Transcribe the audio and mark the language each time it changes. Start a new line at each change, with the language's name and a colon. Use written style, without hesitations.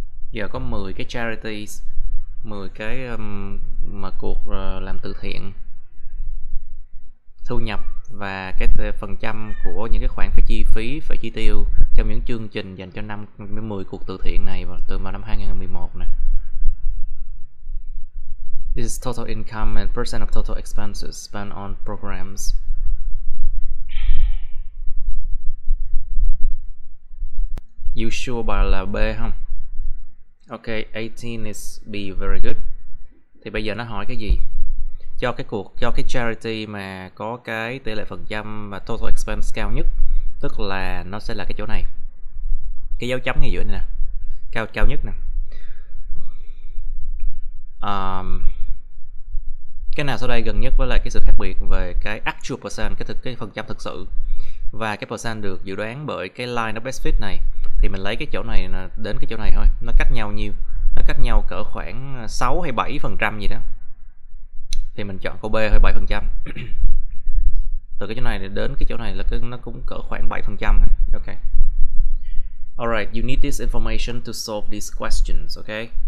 Vietnamese: Giờ có 10 cái charities, 10 cái mà cuộc làm từ thiện thu nhập và cái phần trăm của những cái khoản phải chi phí, phải chi tiêu trong những chương trình dành cho 5-10 cuộc từ thiện này và từ vào năm 2011 này.
English: This is total income and percent of total expenses spent on programs. You sure
Vietnamese: bà là B không?
English: Ok, 18 is B, very good.
Vietnamese: Thì bây giờ nó hỏi cái gì? Cho cái cuộc, cho cái charity mà có cái tỷ lệ phần trăm và total expense cao nhất, tức là nó sẽ là cái chỗ này, cái dấu chấm ngay giữa này nè, cao cao nhất nè. Cái nào sau đây gần nhất với lại cái sự khác biệt về cái actual percent, cái phần trăm thực sự và cái percent được dự đoán bởi cái line of best fit này, thì mình lấy cái chỗ này đến cái chỗ này thôi, nó cách nhau nhiêu, nó cách nhau cỡ khoảng 6 hay 7 phần trăm gì đó, thì mình chọn câu B thôi, 7 phần trăm. Từ cái chỗ này đến cái chỗ này là cái, nó cũng cỡ khoảng 7 phần trăm thôi.
English: Ok. Alright, you need this information to solve these questions, okay?